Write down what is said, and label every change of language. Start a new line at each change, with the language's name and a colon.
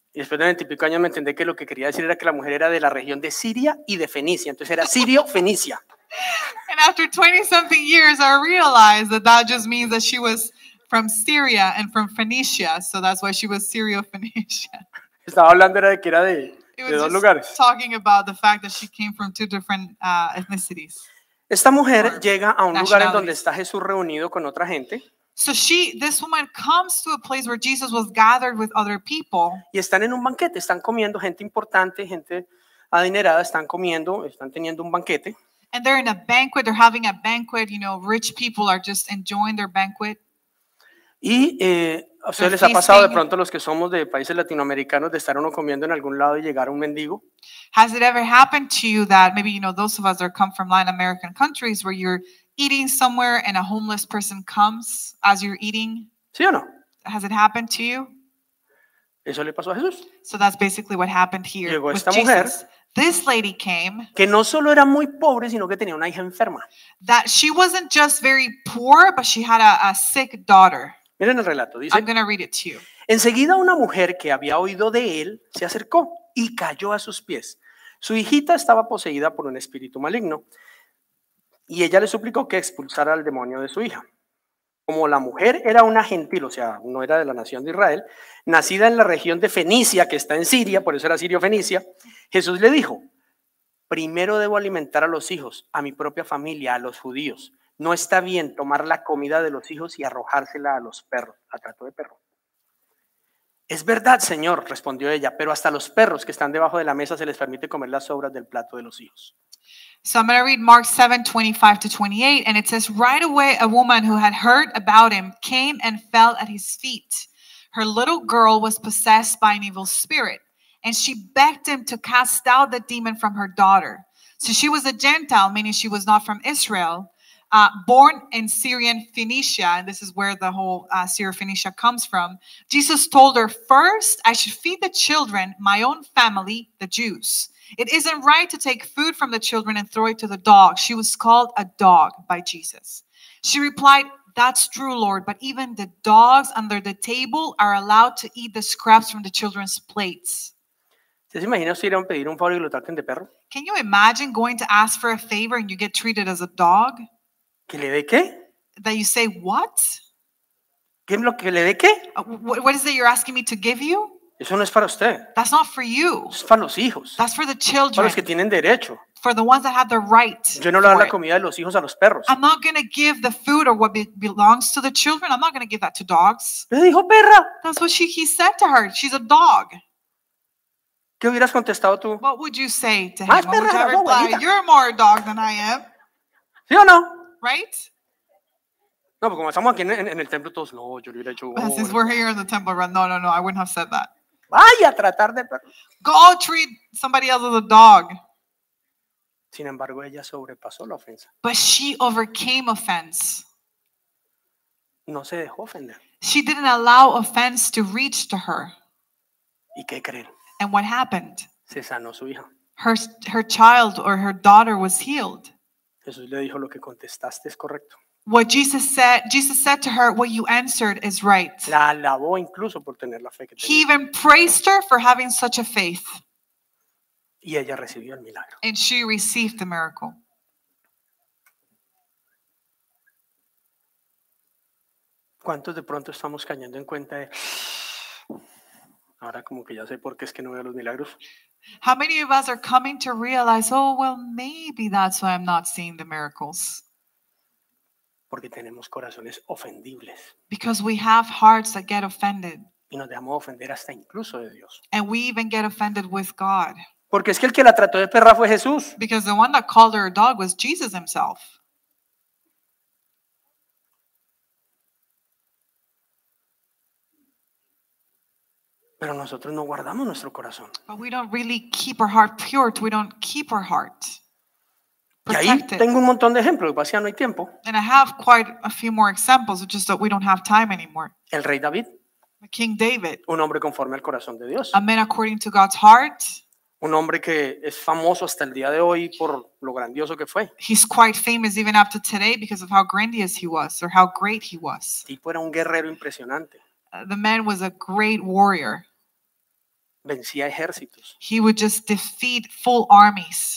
Spanish: Y después de 20 y pico años me entendí que lo que quería decir era que la mujer era de la región de Siria y de Fenicia, entonces era Sirio-Fenicia.
English: And after 20 something years, I realized that just means that she was from Syria and from Phoenicia, so that's why she was Sirio-Fenicia.
Spanish: Estaba hablando era de que era de
English: It was just talking about the fact that she came from two different ethnicities.
Spanish: Esta mujer llega a un lugar en donde está Jesús reunido con otra gente.
English: So this woman comes to a place where Jesus was gathered with other people.
Spanish: Y están en un banquete, están comiendo gente importante, gente adinerada, están comiendo, están teniendo un banquete.
English: And they're in a banquet, they're having a banquet, you know, rich people are just enjoying their banquet.
Spanish: Y a ustedes les ha pasado de pronto a los que somos de países latinoamericanos de estar uno comiendo en algún lado y llegar un mendigo.
English: Has it ever happened to you that maybe, you know, those of us that come from Latin American countries where you're eating somewhere and a homeless person comes as you're eating?
Spanish: ¿Sí o no?
English: Has it happened to you?
Spanish: Eso le pasó a Jesús.
English: So that's basically what happened here.
Spanish: Llegó
English: with
Spanish: esta
English: Jesus.
Spanish: Mujer.
English: This lady came.
Spanish: Que no solo era muy pobre, sino que tenía una hija enferma.
English: That she wasn't just very poor, but she had a sick daughter.
Spanish: Miren el relato, dice.
English: I'm going to read it to you.
Spanish: Enseguida una mujer que había oído de él se acercó y cayó a sus pies. Su hijita estaba poseída por un espíritu maligno y ella le suplicó que expulsara al demonio de su hija. Como la mujer era una gentil, o sea, no era de la nación de Israel, nacida en la región de Fenicia, que está en Siria, por eso era Sirio-Fenicia, Jesús le dijo, primero debo alimentar a los hijos, a mi propia familia, a los judíos. No está bien tomar la comida de los hijos y arrojársela a los perros, a trato de perro. Es verdad, señor, respondió ella, pero hasta los perros que están debajo de la mesa se les permite comer las sobras del plato de los hijos.
English: So I'm going to read Mark 7, 25 to 28. And it says, right away, a woman who had heard about him came and fell at his feet. Her little girl was possessed by an evil spirit, and she begged him to cast out the demon from her daughter. So she was a Gentile, meaning she was not from Israel, born in Syrian Phoenicia. And this is where the whole Syrophoenicia comes from. Jesus told her, first, I should feed the children, my own family, the Jews. It isn't right to take food from the children and throw it to the dog. She was called a dog by Jesus. She replied, that's true, Lord, but even the dogs under the table are allowed to eat the scraps from the children's plates.
Spanish: ¿Te imaginas ir a pedir un favor y lo traten de perro?
English: Can you imagine going to ask for a favor and you get treated as a dog?
Spanish: ¿Que le dé qué?
English: That you say, what?
Spanish: ¿Qué es lo que le dé qué?
English: What is it you're asking me to give you?
Spanish: Eso no es para usted.
English: That's not for you.
Spanish: Es para los hijos.
English: That's for the children.
Spanish: Para los que tienen derecho.
English: For the ones that have the right.
Spanish: Yo no le doy la comida de los hijos a los perros.
English: I'm not going to give the food or what belongs to the children. I'm not going to give that to dogs.
Spanish: Le dijo perra.
English: That's what he said to her. She's a dog.
Spanish: ¿Qué hubieras contestado tú?
English: What would you say to
Spanish: más
English: him?
Spanish: Perra,
English: would you ever reply, you're more a dog than I am.
Spanish: ¿Sí o no?
English: Right?
Spanish: No, porque como estamos aquí en el templo todos, no, yo le hubiera hecho.
English: Oh, since we're here in the temple, right? No, I wouldn't have said that.
Spanish: Vaya a tratar de
English: go treat somebody else as a dog.
Spanish: Sin embargo, ella sobrepasó la ofensa.
English: But she overcame offense.
Spanish: No se dejó ofender.
English: She didn't allow offense to reach to her.
Spanish: ¿Y qué creen?
English: And what happened?
Spanish: Se sanó su hija.
English: Her child or her daughter was healed.
Spanish: Jesús le dijo lo que contestaste es correcto.
English: What Jesus said to her, what you answered is right.
Spanish: La alabó incluso por tener la fe que tenía.
English: He even praised her for having such a faith.
Spanish: Y ella recibió el milagro.
English: And she received the miracle.
Spanish: ¿Cuántos de pronto estamos cayendo en cuenta de... Ahora como que ya sé por qué es que no veo los milagros.
English: How many of us are coming to realize, oh, well, maybe that's why I'm not seeing the miracles.
Spanish: Porque tenemos corazones ofendibles.
English: Because we have hearts that get offended.
Spanish: Y nos dejamos ofender hasta incluso de Dios.
English: And we even get offended with God.
Spanish: Porque es que el que la trató de perra fue Jesús.
English: Because the one that called her a dog was Jesus himself.
Spanish: Pero nosotros no guardamos nuestro corazón.
English: But we don't really keep our heart pure. We don't keep our heart.
Spanish: Y ahí tengo un montón de ejemplos, pero ya no hay tiempo.
English: And I have quite a few more examples, it's just that we don't have time anymore.
Spanish: El rey David.
English: The King David.
Spanish: Un hombre conforme al corazón de Dios.
English: A man according to God's heart.
Spanish: Un hombre que es famoso hasta el día de hoy por lo grandioso que fue.
English: He's quite famous even up to today because of how grandiose he was or how great he was.
Spanish: El tipo era un guerrero impresionante.
English: The man was a great warrior.
Spanish: Vencía ejércitos.
English: He would just defeat full armies.